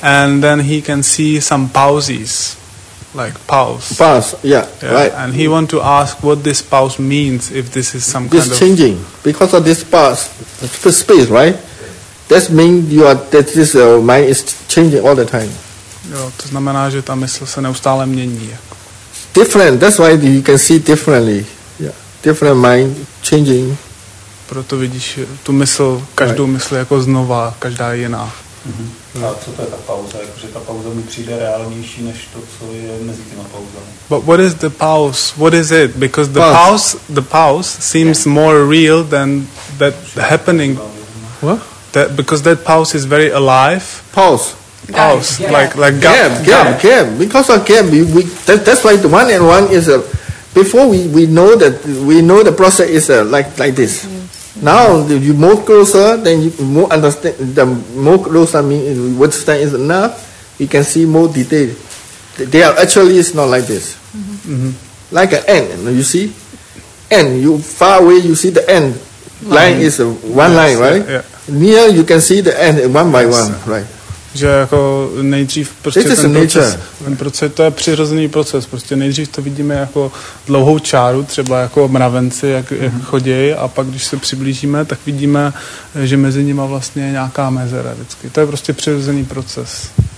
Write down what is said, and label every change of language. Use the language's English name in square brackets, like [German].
[English] And then he can see some pauses, like pause. Pause, yeah, right. And he want to ask what this pause means, if this is some this kind changing. Of... changing. Because of this pause, space, right? That means you are that this mind is changing all the time. [Czech] Jo, to znamená, že ta mysl se neustále mění. [English] Different. That's why you can see differently. Yeah. Different mind changing. [Czech] Proto vidíš tu mysl, každou mysl jako znova, každá je jiná. Mm-hmm. A co to je ta pauza? Jakože ta pauza mi přijde reálnější než to, co je mezi těma pauzami. [English] But what is the pause? What is it? Because the pause, the pause seems more real than that happening. What? That, because that pause is very alive. Pause. Pause. Yeah. Like gap. Because of gap, that's why the one and one is a. Before we know the process is like this. Now you move closer, then you more understand. The more closer means what stand is enough. You can see more detail. They are actually it's not like this. Mm-hmm. Like an end, you see. End. You far away, you see the end. Line is one line, right? Yeah, yeah. Near, you can see the end one by one, right? [Czech] Že jako nejdřív prostě ten proces, to je přirozený proces, prostě nejdřív to vidíme jako dlouhou čáru, třeba jako mravenci, jak chodí, a pak když se přiblížíme, tak vidíme, že mezi nima vlastně je nějaká mezera vždycky. To je prostě přirozený proces.